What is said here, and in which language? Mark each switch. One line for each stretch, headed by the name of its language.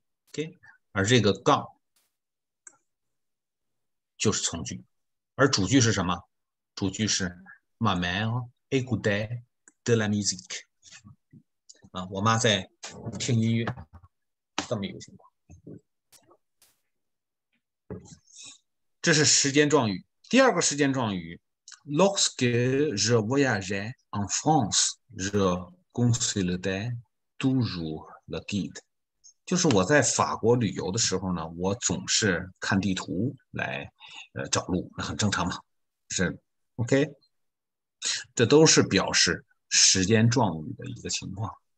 Chinese: OK， 而这个杠就是从句，而主句是什么？主句是
French: ma mère écoutait de la musique，
Chinese: 我妈在听音乐，这么一个情况。这是时间状语。
French: 第二个时间状语 ，Lorsque je voyageais en France, je consultais toujours le guide。
Chinese: 就是我在法国旅游的时候呢，我总是看地图来，找路，那很正常嘛，是 OK。这都是表示时间状语的一个情况。